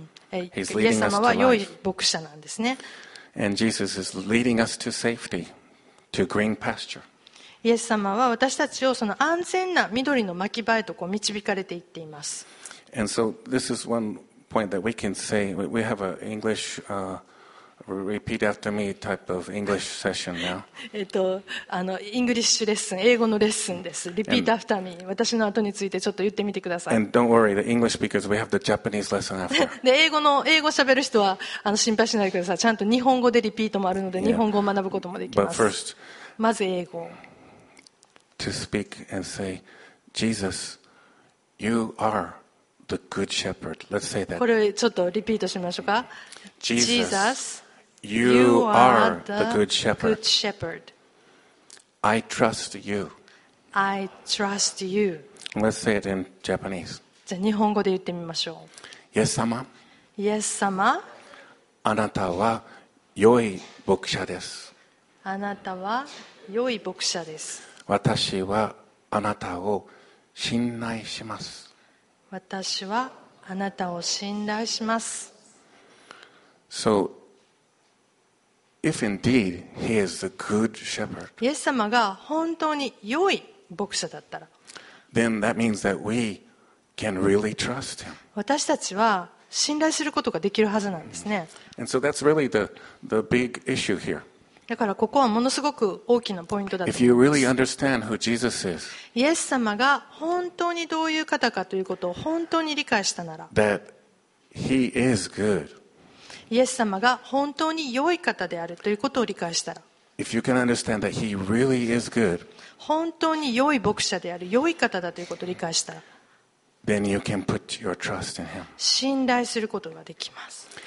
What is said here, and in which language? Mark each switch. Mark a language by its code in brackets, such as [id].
[en] He's leading us to life. [ja] イエス様は良い牧者なんですね。 [en] And Jesus is leading us to safety, to green pasture. [ja] イエス様は私たちをその安全な緑の牧場へとこう導かれていっています。 [en] And so this is one point that we can say. We have an English, repeat after me type of English session now. [ja] イングリッシュレッスン、英語のレッスンです。 [en] Repeat after me. [ja] 私の後についてちょっと言ってみてください。 [en] And don't worry, the English speakers, we have the Japanese lesson after. [ja] で、英語喋る人は心配しないでください。ちゃんと日本語でリピートもあるので、日本語を学ぶこともできます。 [en] But first, [ja] まず英語。 [en] To speak and say, Jesus, you are the good shepherd. Let's say that. [ja] これちょっとリピートしましょうか。 [en] Jesus. You are the good shepherd. I trust you. I trust you. Let's say it in Japanese. [ja] じゃあ日本語で言ってみましょう。イエス様。イエス様。あなたは良い牧者です。あなたは良い牧者です。私はあなたを信頼します。私はあなたを信頼します。 [en] So,If indeed he is the good shepherd, [ja] イエス様が本当に良い牧者だったら、 [en] then that means that we can really trust him. [ja] 私たちは信頼することができるはずなんですね。 [en] And so that's really the big issue here. [ja] だからここはものすごく大きなポイントだと思います。 [en] If you really understand who Jesus is, [ja] イエス様が本当にどういう方かということを本当に理解したなら、 [en] that he is good. [ja] イエス様が本当に良い方であるということを理解したら、 [en] If you can understand that he really is good, [ja] 本当に良い牧者である良い方だということを理解したら、 [en] then you can put your trust in him. [ja] 信頼することができます。